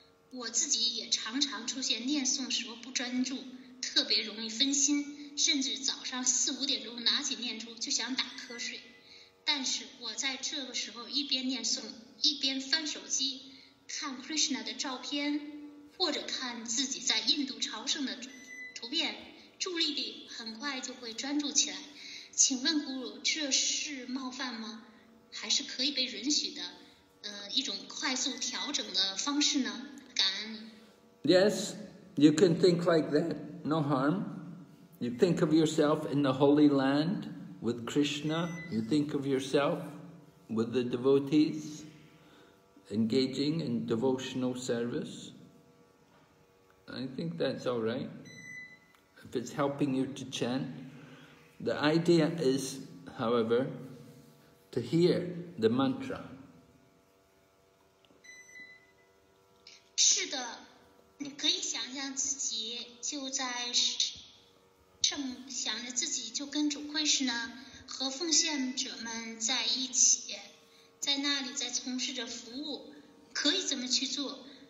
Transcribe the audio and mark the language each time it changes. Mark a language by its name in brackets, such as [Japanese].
[Chinese] 我自己也常常出现念诵时候不专注，特别容易分心，甚至早上四五点钟拿起念珠就想打瞌睡，但是我在这个时候一边念诵一边翻手机看 Krishna 的照片，或者看自己在印度朝圣的图片，注意力很快就会专注起来。请问 Guru， 这是冒犯吗？还是可以被允许的一种快速调整的方式呢？感恩你。 [English] Yes, You can think like that, no harm. You think of yourself in the holy land with Krishna. You think of yourself with the devotees engaging in devotional service. I think that's all right. If it's helping you to chant. The idea is, however, to hear the mantra. [Chinese] 是的，你可以想象自己就在正想着自己就跟主昆士呢和奉献者们在一起，在那里在从事着服务，可以怎么去做？